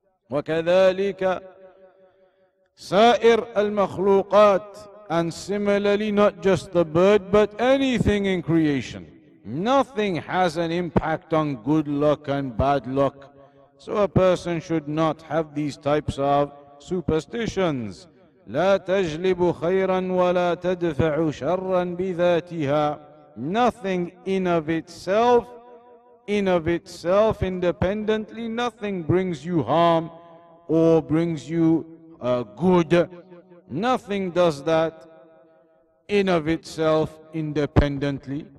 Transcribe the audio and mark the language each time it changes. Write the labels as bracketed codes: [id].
[ar] وَكَذَلِكَ سَائِرْ الْمَخْلُوقَاتِ, [en] and similarly, not just the bird, but anything in creation. Nothing has an impact on good luck and bad luck. So a person should not have these types of superstitions. [ar] لا تجلب خيرا ولا تدفع شرا بذاتها. [en] Nothing in of itself, independently, nothing brings you harm or brings you good. Nothing does that in of itself, independently.